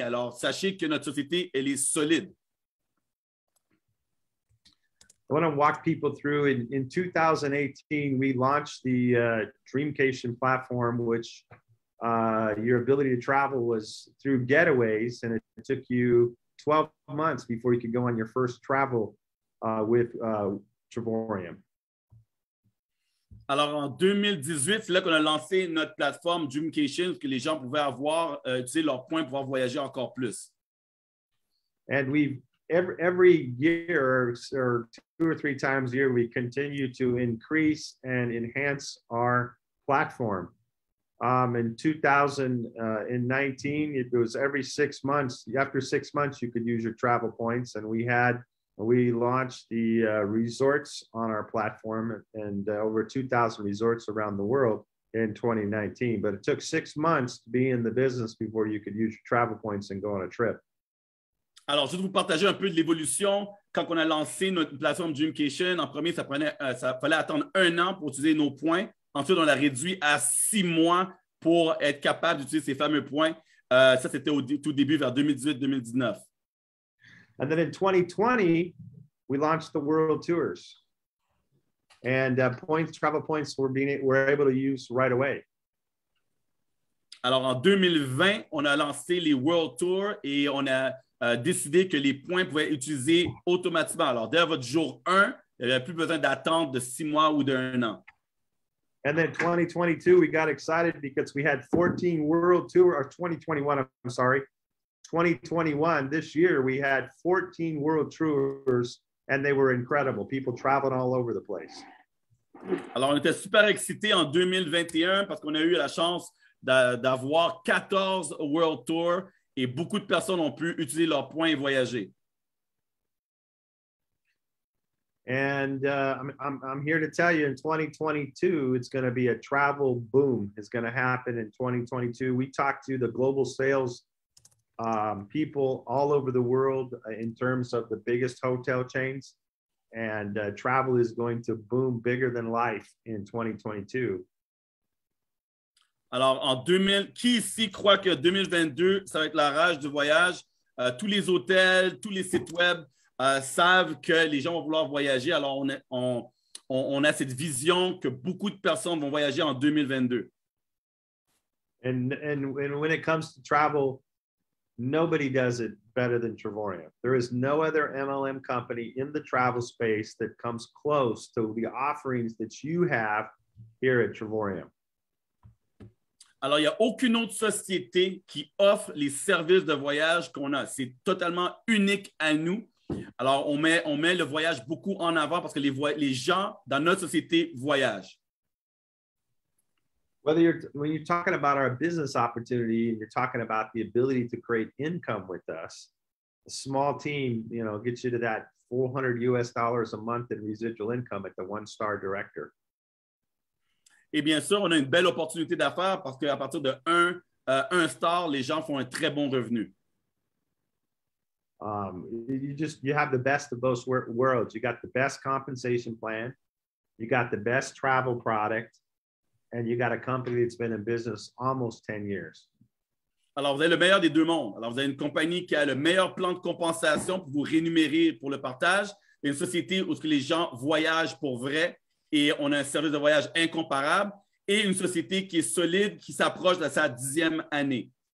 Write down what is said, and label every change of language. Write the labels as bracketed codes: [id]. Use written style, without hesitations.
[fr] Alors, sachez que notre société, elle est solide. [en] I want to walk people through. In 2018, we launched the Dreamcation platform, which your ability to travel was through getaways, and it took you 12 months before you could go on your first travel with Trevorium. [fr] Alors, en 2018, c'est là qu'on a lancé notre plateforme Dreamcation, que les gens pouvaient avoir, utiliser leur point pour pouvoir voyager encore plus. [en] And we, every year, or two or three times a year, we continue to increase and enhance our platform. In 2019, it was every 6 months. After 6 months, you could use your travel points, and we launched the resorts on our platform and over 2,000 resorts around the world in 2019, but it took 6 months to be in the business before you could use your travel points and go on a trip. [fr] Alors, je vais vous partager un peu de l'évolution. Quand on a lancé notre plateforme Dreamcation, en premier, ça fallait attendre un an pour utiliser nos points. Ensuite, on l'a réduit à 6 mois pour être capable d'utiliser ces fameux points. Ça, c'était tout début vers 2018-2019. [en] And then in 2020, we launched the World Tours. And points, travel points were able to use right away. [fr] Alors, en 2020, on a lancé les World Tours et on a décidé que les points pouvaient être utilisés automatiquement. Alors, dès votre jour 1, il n'y avait plus besoin d'attendre de 6 mois ou d'un an. [en] And then 2022, we got excited because we had 14 World Tours, or 2021, I'm sorry. 2021, this year, we had 14 World Tours, and they were incredible. People traveled all over the place. [fr] Alors, on était super excités en 2021 parce qu'on a eu la chance d'avoir 14 World Tours et beaucoup de personnes ont pu utiliser leurs points et voyager. [en] And I'm here to tell you, in 2022, it's going to be a travel boom. It's going to happen in 2022. We talked to the global sales people all over the world in terms of the biggest hotel chains. And travel is going to boom bigger than life in 2022. [fr] Alors, en 2000, qui ici croit que 2022, ça va être la rage du voyage? Tous les hôtels, tous les sites web savent que les gens vont vouloir voyager. Alors, on a cette vision que beaucoup de personnes vont voyager en 2022. [en] And when it comes to travel, nobody does it better than Trivoria. There is no other MLM company in the travel space that comes close to the offerings that you have here at Trivoria. [fr] Alors, il n'y a aucune autre société qui offre les services de voyage qu'on a. C'est totalement unique à nous. Alors, on met le voyage beaucoup en avant parce que les gens dans notre société voyagent. [en] When you're talking about our business opportunity and you're talking about the ability to create income with us, a small team, you know, gets you to that $400 US a month in residual income at the one-star director. [fr] Et bien sûr, on a une belle opportunité d'affaires parce qu'à partir de un star, les gens font un très bon revenu. [en] You have the best of both worlds. You got the best compensation plan. You got the best travel product. And you got a company that's been in business almost 10 years. [fr] Alors, vous avez le meilleur des deux mondes. Alors, vous avez une compagnie qui a le meilleur plan de compensation pour vous rémunérer pour le partage, et une société où les gens voyagent pour vrai, et on a un service de voyage incomparable, et une société qui est solide, qui s'approche de sa 10e année.